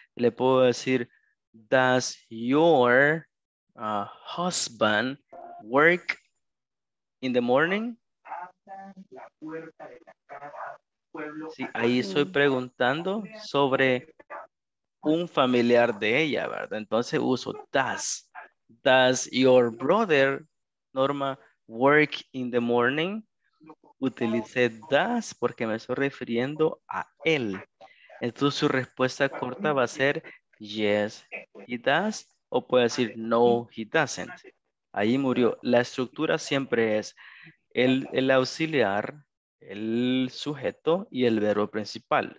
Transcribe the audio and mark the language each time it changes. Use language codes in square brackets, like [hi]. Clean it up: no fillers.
[es] Le puedo decir, [en] does your husband work in the morning? [es] Sí, ahí estoy preguntando sobre un familiar de ella, ¿verdad? Entonces uso does. [en] Does your brother, Norma, work in the morning? [es] Utilicé does porque me estoy refiriendo a él. Entonces su respuesta corta va a ser [en] yes, he does, [es] o puede decir [en] no, he doesn't. [es] Ahí murió. La estructura siempre es el auxiliar, el sujeto y el verbo principal.